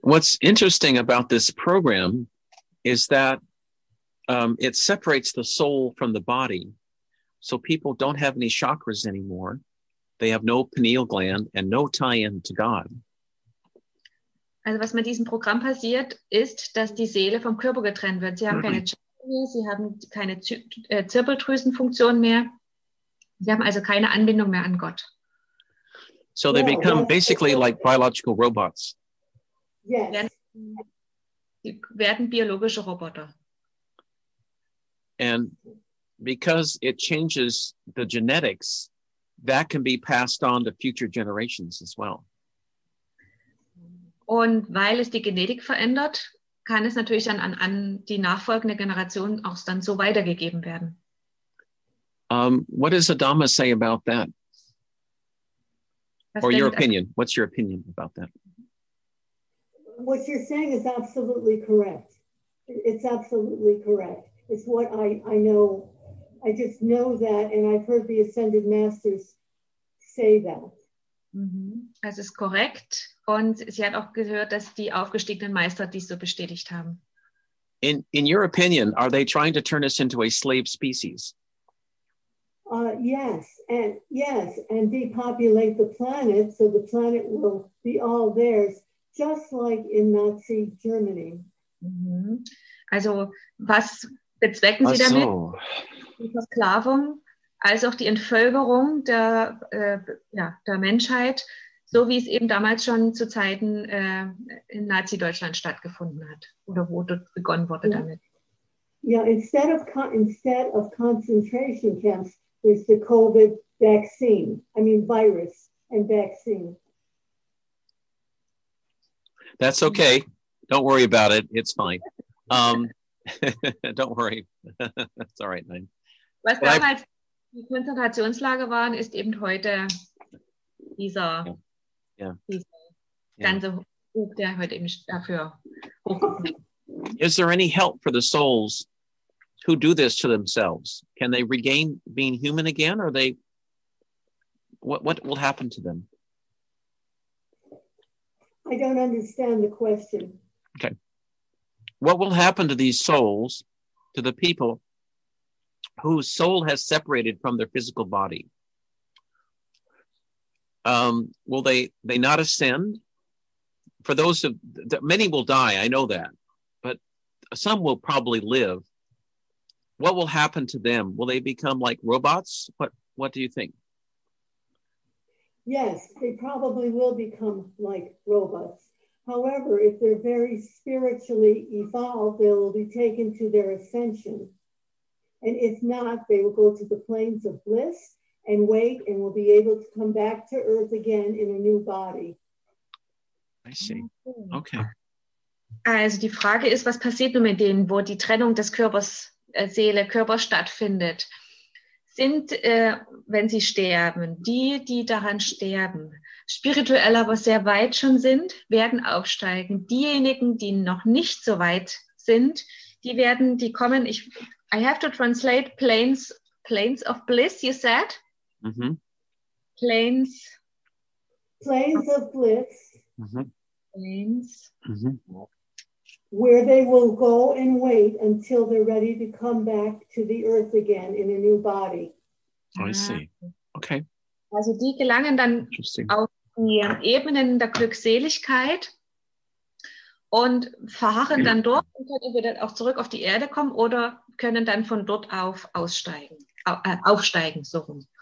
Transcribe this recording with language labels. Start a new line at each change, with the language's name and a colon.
English: What's interesting about this program is that it separates the soul from the body. So people don't have any chakras anymore. They have no pineal gland and no tie-in to God.
German: Also was mit diesem Programm passiert, ist, dass die Seele vom Körper getrennt wird. Sie haben keine Chakras mehr, sie haben keine Zirbeldrüsenfunktion mehr. Sie haben also keine Anbindung mehr an Gott.
English: So they become basically like biological robots. Yes.
German: Sie werden biologische Roboter.
English: And because it changes the genetics, that can be passed on to future generations as well.
German: Und weil es die Genetik verändert, kann es natürlich dann an die nachfolgende Generation auch dann so weitergegeben werden.
English: What does Adama say about that? Was Or your opinion? What's your opinion about that? What you're saying is absolutely correct. It's absolutely correct. It's what I know. I just know that, and I've heard the Ascended Masters say that.
German: Das ist korrekt und sie hat auch gehört, dass die aufgestiegenen Meister dies so bestätigt haben.
English: In your opinion, are they trying to turn us into a slave species? Yes, and depopulate the planet so the planet will be all theirs, just like in Nazi Germany.
German: Mm-hmm. Also was bezwecken Sie damit? Die Versklavung? Als auch die Entvölkerung der Menschheit, so wie es eben damals schon zu Zeiten in Nazi-Deutschland stattgefunden hat oder wo dort begonnen wurde damit.
English: Yeah, instead of concentration camps, there's the COVID vaccine. I mean, virus and vaccine. That's okay. Don't worry about it. It's fine. don't worry. It's all right, man.
German: Was damals die Konzentrationslager waren, ist eben heute dieser ganze Hub, der heute eben dafür hochkommt.
English: Is there any help for the souls who do this to themselves? Can they regain being human again? Or they, what will happen to them? I don't understand the question. Okay. What will happen to these souls, to the people whose soul has separated from their physical body? Will they not ascend? For those of many will die, I know that, but some will probably live. What will happen to them? Will they become like robots? What do you think? Yes, they probably will become like robots. However, if they're very spiritually evolved, they will be taken to their ascension. And if not, they will go to the planes of bliss and wait and will be able to come back to Earth again in a new body. I see. Okay.
German: Also die Frage ist, was passiert nun mit denen, wo die Trennung des Körpers, Seele, Körper stattfindet? Sind, wenn sie sterben, die daran sterben, spirituell aber sehr weit schon sind, werden aufsteigen. Diejenigen, die noch nicht so weit sind, die kommen,
English: I have to translate planes of bliss, you said? Mm-hmm. Planes of bliss. Mm-hmm. Planes. Mm-hmm. where they will go and wait until they're ready to come back to the earth again in a new body. I see. Okay.
German: Also die gelangen dann auf die Ebenen der Glückseligkeit und verharren dann dort und können wieder auch zurück auf die Erde kommen oder können dann von dort auf aufsteigen, so rum.